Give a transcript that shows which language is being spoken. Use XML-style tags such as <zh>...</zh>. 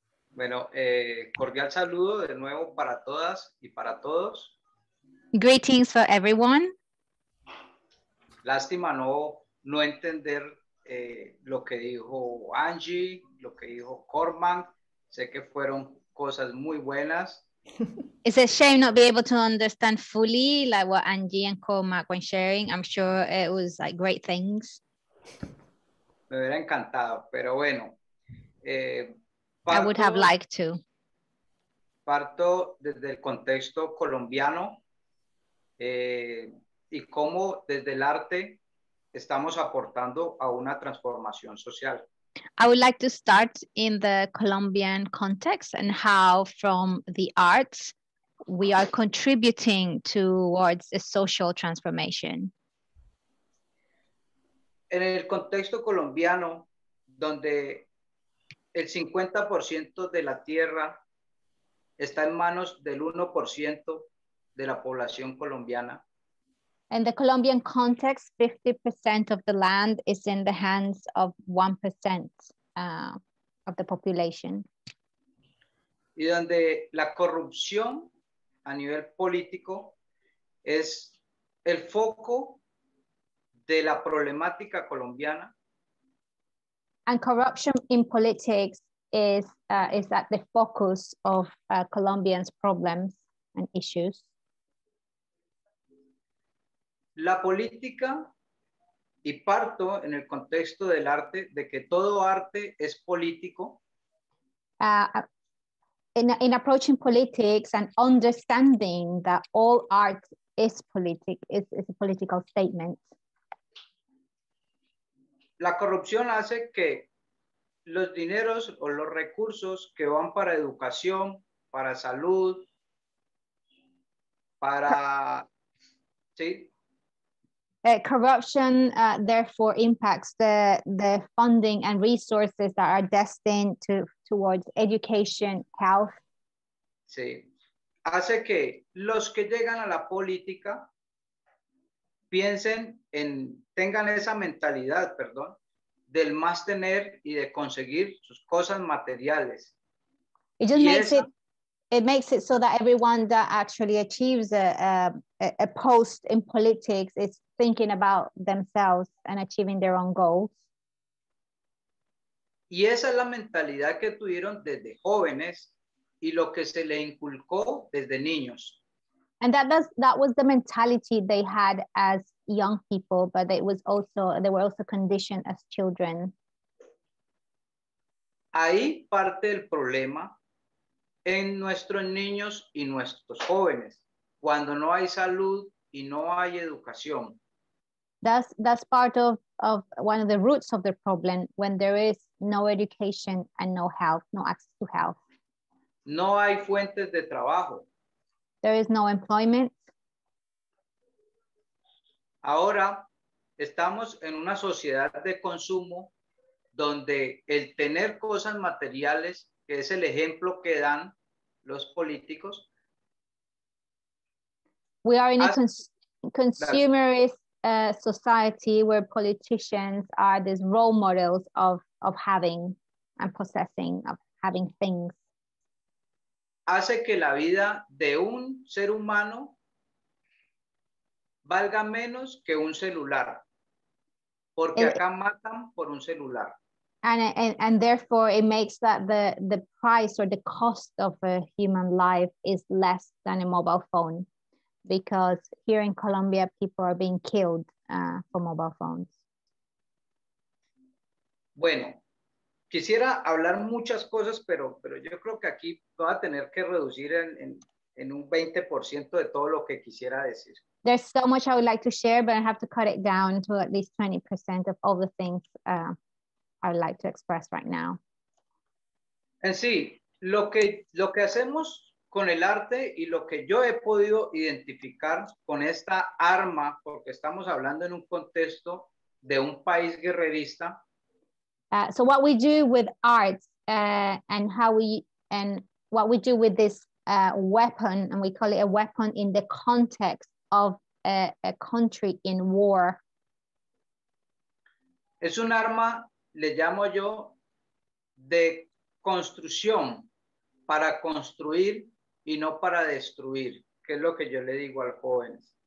<es>Bueno, cordial saludo de nuevo para todas y para todos.</es> <en>Greetings for everyone.</en> <es>Lástima no entender lo que dijo Angie, lo que dijo Cormac. Sé que fueron cosas muy buenas.</es> <en>It's a shame not be able to understand fully like what Angie and Cormac were sharing. I'm sure it was like great things.</en> <es>Me hubiera encantado, pero bueno.</es> <en>I would have liked to.</en> <es>Parto desde el contexto colombiano y cómo desde el arte estamos aportando a una transformación social.</es> <en>I would like to start in the Colombian context and how from the arts we are contributing towards a social transformation.</en> <es>En el contexto colombiano, donde el 50% de la tierra está en manos del 1% de la población colombiana.</es> <en>In the Colombian context, 50% of the land is in the hands of 1% of the population.</en> <es>Y donde la corrupción a nivel político es el foco de la problemática colombiana.</es> <en>And corruption in politics is at the focus of Colombians' problems and issues.</en> <es>La política, y parto en el contexto del arte, de que todo arte es político.</es> <en>In approaching politics and understanding that all art is politic, is a political statement.</en> <es>La corrupción hace que los dineros o los recursos que van para educación, para salud, para... ¿sí?</es> <en>Corruption therefore impacts the funding and resources that are destined towards education, health.</en> <es>Sí. Hace que los que llegan a la política piensen en, tengan esa mentalidad, perdón, del más tener y de conseguir sus cosas materiales.</es> <en>It just makes it, it makes it so that everyone that actually achieves a post in politics is thinking about themselves and achieving their own goals.</en> <es>Y esa es la mentalidad que tuvieron desde jóvenes y lo que se le inculcó desde niños.</es> <en>And that was the mentality they had as young people, but it was also, they were also conditioned as children.</en> <es>Ahí parte el problema en nuestros niños y nuestros jóvenes, cuando no hay salud y no hay educación.</es> <en>That's part of one of the roots of the problem, when there is no education and no health, no access to health.</en> <es>No hay fuentes de trabajo.</es> <en>There is no employment.</en> <es>Ahora estamos en una sociedad de consumo donde el tener cosas materiales, que es el ejemplo que dan los políticos.</es> <en>We are in a consumerist society where politicians are these role models of having and possessing, of having things.</en> <es>Hace que la vida de un ser humano valga menos que un celular, porque acá matan por un celular.</es> <en>And therefore it makes that the price or the cost of a human life is less than a mobile phone, because here in Colombia people are being killed for mobile phones.</en> <es>Bueno, quisiera hablar muchas cosas, pero yo creo que aquí voy a tener que reducir en un 20% de todo lo que quisiera decir.</es> <en>There's so much I would like to share, but I have to cut it down to at least 20% of all the things I would like to express right now.</en> <es>En sí, lo que hacemos con el arte y lo que yo he podido identificar con esta arma, porque estamos hablando en un contexto de un país guerrerista.</es> <en>So what we do with art and what we do with this weapon, and we call it a weapon in the context of a country in war.</en> <es>Es un arma, le llamo yo, de construcción, para construir y no para destruir, que es lo que yo le digo al joven.</es>